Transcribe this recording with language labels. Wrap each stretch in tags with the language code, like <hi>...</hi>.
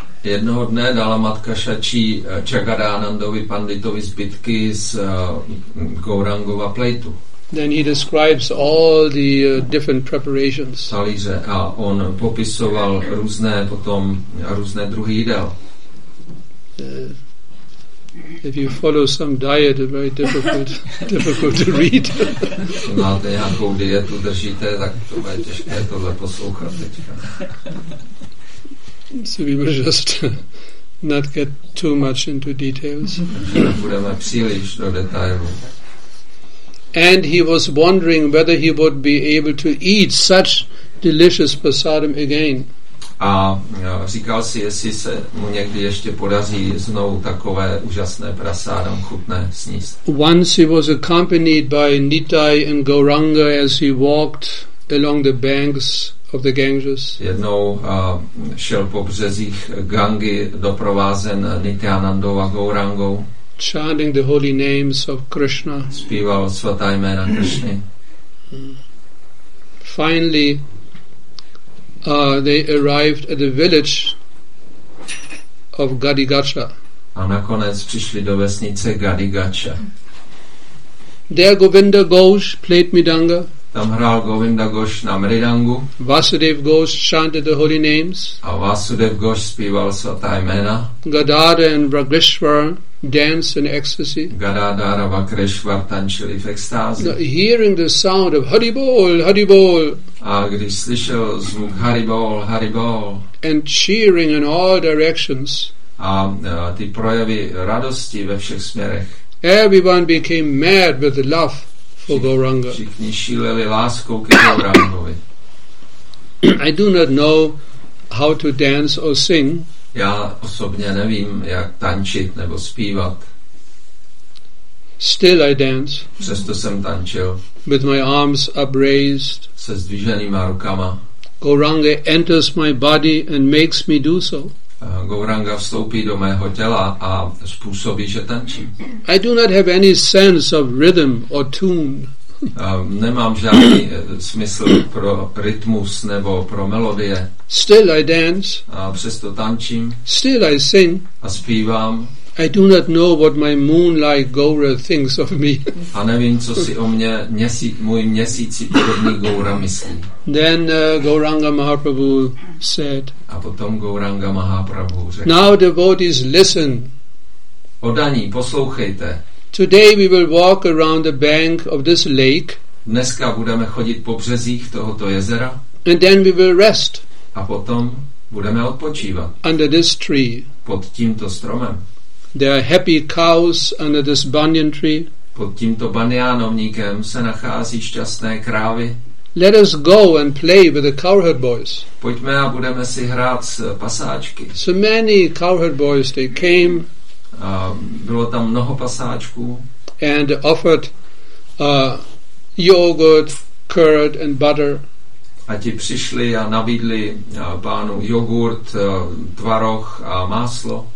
<cs>Jednoho dne dala matka Sachi Jagadanandovi Panditovi zbytky z Gaurangova plejtu.</cs> <en>Then he describes all the different preparations.</en> <cs>Talíře, a on popisoval různé potom různé druhy jídel.</cs> <en>If you follow some diet, it's very difficult to read.</en> <cs>Máte nějakou dietu držíte, tak to je těžké tohle poslouchat teďka.</cs> <en>So we will just not get too much into details.</en> <cs>Budeme příliš do detailů.</cs> <en>And he was wondering whether he would be able to eat such delicious prasadam again.</en> <cs>A říkal si, jestli se mu někdy ještě podaří znovu takové úžasné prasádam chutné sníst.</cs> <en>Once he was accompanied by Nitai and Gauranga as he walked along the banks of the Ganges.</en> <cs>Jednou šel po březích Gangy doprovázen Nityanandou a Gaurangou.</cs> <en>Chanting the holy names of Krishna.</en> <cs>Zpíval svatá jména Krishny.</cs> <en>Finally, they arrived at the village of Gadigacha.</en> <cs>A nakonec přišli do vesnice Gadigacha.</cs> <en>There Govinda Ghosh played midanga.</en> <cs>Tam hrál Govinda Ghosh na mridangu.</cs> <en>Vasudev Ghosh chanted the holy names.</en> <cs>A Vasudev Ghosh zpíval svatá jména.</cs> <en>Gadadhara and Vrageshwara danced in ecstasy.</en> <cs>Gadadhara a Vrageshwara tančili v extázi.</cs> <en>Hearing the sound of Haribol, Haribol.</en> <cs>A když slyšel zvuk Haribol, Haribol.</cs> <en>And cheering in all directions.</en> <cs>A ty projevy radosti ve všech směrech.</cs> <en>Everyone became mad with the love.</en> <cs>Všichni šíleli láskou ke Gaurangovi.</cs> <en>I do not know how to dance or sing.</en> <cs>Já osobně nevím, jak tančit nebo zpívat.</cs> <en>Still I dance.</en> <cs>Přesto jsem tančil.</cs> <en>With my arms upraised.</en> <cs>Se zdviženýma rukama.</cs> <en>Gauranga enters my body and makes me do so.</en> <cs>Gauranga vstoupí do mého těla a způsobí, že tančím.</cs> <en>I do not have any sense of rhythm or tune.</en> <cs>Nemám žádný smysl pro rytmus nebo pro melodie.</cs> <en>Still I dance.</en> <cs>A přesto tančím.</cs> <en>Still I sing.</en> <cs>A zpívám.</cs> <en>I do not know what my moon-like Gaura thinks of me.</en> <cs>A nevím, co si o mě můj měsíci podobný Gaura myslí.</cs> <en>Then Gauranga Mahaprabhu said.</en> <cs>A potom Gauranga Mahaprabhu řekl.</cs> <en>Now devotees, listen.</en> <cs>Odaní, poslouchejte.</cs> <en>Today we will walk around the bank of this lake.</en> <cs>Dneska budeme chodit po březích tohoto jezera.</cs> <en>And then we will rest.</en> <cs>A potom budeme odpočívat.</cs> <en>Under this tree.</en> <cs>Pod tímto stromem.</cs> <en>There are happy cows under this banyan tree.</en> <cs>Pod tímto banyánovníkem se nachází šťastné krávy.</cs> <en>Let us go and play with the cowherd boys.</en> <cs>Pojďme a budeme si hrát s pasáčky.</cs> <en>So many cowherd boys, they came.</en> <cs>Bylo tam mnoho pasáčků.</cs> <en>And offered yogurt, curd and butter.</en> <cs>A ti přišli a nabídli pánu jogurt, tvaroh a máslo.</cs>